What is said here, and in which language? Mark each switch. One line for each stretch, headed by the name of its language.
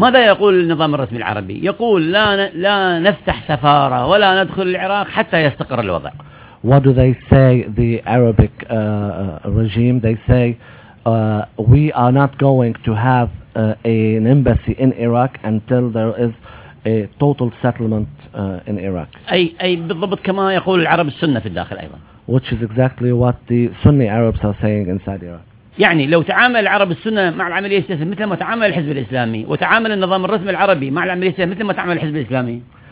Arabic: ماذا يقول النظام الرسمي العربي؟ يقول لا نفتح سفارة ولا ندخل العراق حتى يستقر الوضع.
English: What do they say, the Arabic regime? They say, we are not going to have an embassy in Iraq until there is a total settlement in Iraq.
Arabic: أي بالضبط كما يقول العرب السنة في الداخل أيضا.
English: Which is exactly what the Sunni Arabs are saying inside Iraq.
Arabic: يعني لو تعامل العرب السنة مع العملية السياسية مثل ما تعامل الحزب الإسلامي وتعامل النظام الرسمي العربي مع العملية السياسية مثل ما تعامل الحزب الإسلامي.